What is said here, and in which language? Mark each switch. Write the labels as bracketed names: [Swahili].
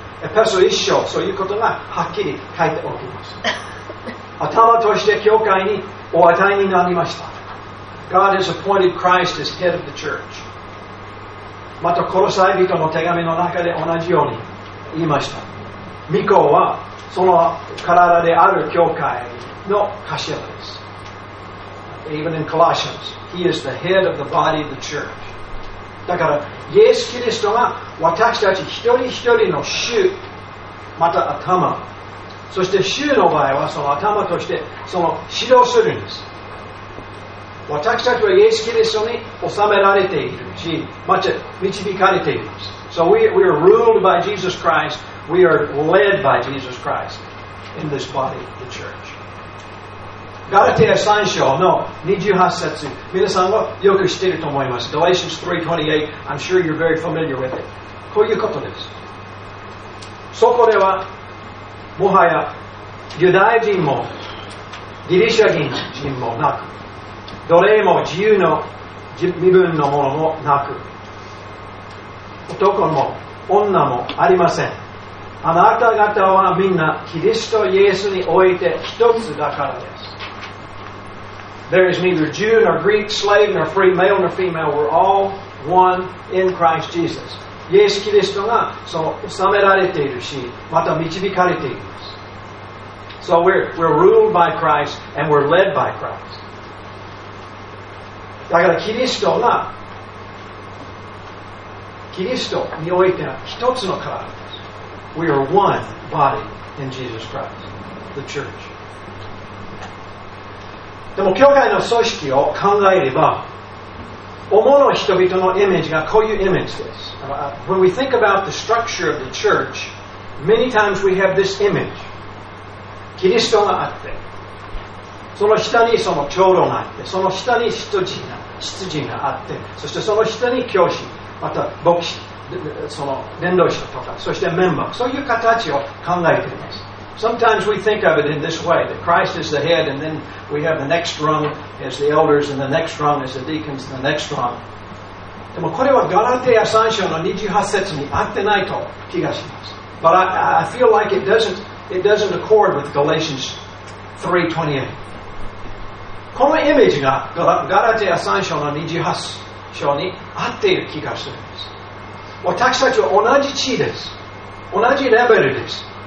[Japanese] エペソ1章、そういうことがはっきり書いておきます。頭として教会にお与えになりました。 [English] God has appointed Christ as head of the church。 [Japanese] またコロサイ人の手紙の中で同じように言いました。巫女はその体である教会の頭です。 [English] Even in Colossians He is the head of the body of the church。 [Japanese] だからイエス・キリストが私たち一人一人の衆、また頭、そして衆の場合はその頭としてその指導するんです。私たちはイエス・キリストに収められているし、また導かれています。 [English] So we are ruled by Jesus Christ. We are led by Jesus Christ in this body, the church。 [Japanese] ガラテヤ3章の28節、皆さんはよく知っていると思います。 [English] Galatians 3:28, I'm sure you're very familiar with it。 [Japanese] こういうことです。そこではもはやユダヤ人もギリシャ人もなく、奴隷も自由の身分のものもなく、男も女もありません。あなた方はみんなキリストイエスにおいて一つだからです。 [English] There is neither Jew nor Greek, slave nor free, male nor female. We're all one in Christ Jesus。 [Japanese] イエス・キリストがその収められているし、また導かれています。 [English] So we're ruled by Christ and we're led by Christ。 [Japanese] だからキリストがキリストにおいては一つの体です。 [English] We are one body in Jesus Christ, the church。 [Japanese] でも教会の組織を考えれば、主の人々のイメージがこういうイメージです。 [English] When we think about the structure of the church, many times we have this image. [Japanese] キリストがあって、その下にその長老があって、その下に執事があって、そしてその下に教師、また牧師、その伝道者とか、そしてメンバー、そういう形を考えています。 [English] Sometimes we think of it in this way, that Christ is the head and then we have the next rung as the elders and the next rung as the deacons and the next rung. [Japanese] でもこれはガラテヤ3章の28節に合ってないと気がします。 [English] But I feel like it doesn't accord with Galatians 3:28. [Japanese] このイメージがガラテヤ3章の28章に合っている気がするんです。私たちは同じ地です。同じレベルです。